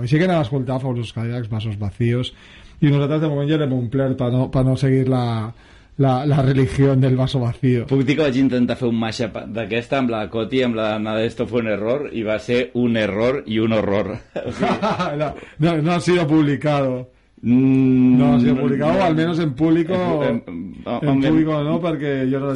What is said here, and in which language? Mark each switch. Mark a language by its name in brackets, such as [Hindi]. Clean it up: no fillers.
[Catalan] Així que anem a escoltar Fabulosos Cadillacs, Vasos Vacíos, i nosaltres de moment ja l'hem omplert per no seguir la religió del [Spanish] vaso vacío. [Catalan] Puc dir que vaig intentar fer un mashup d'aquesta amb la Coti, amb la Nada Esto Fue Un Error, i va ser un error i un horror. [Spanish] No ha sido publicado. No ha sido publicado, al menos en público. En público no, [Catalan] perquè jo no...